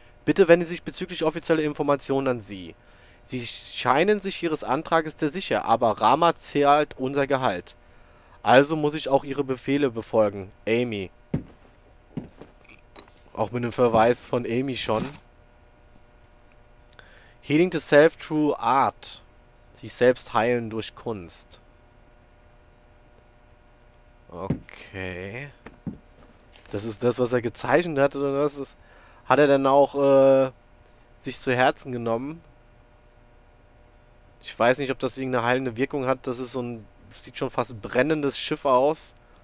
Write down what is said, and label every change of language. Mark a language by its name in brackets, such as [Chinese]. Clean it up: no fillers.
[German] Bitte wenden Sie sich bezüglich offizieller Informationen an Sie. Sie scheinen sich Ihres Antrages sehr sicher, aber Rama zahlt unser Gehalt. Also muss ich auch Ihre Befehle befolgen, Amy. Auch mit einem Verweis von Amy schon. [English] Healing the self through art. [German] Sich selbst heilen durch Kunst. Okay. Das ist das, was er gezeichnet hat, oder was ist. Hat er denn auch sich zu Herzen genommen? Ich weiß nicht, ob das irgendeine heilende Wirkung hat. Das ist so ein, sieht schon fast brennendes Schiff aus.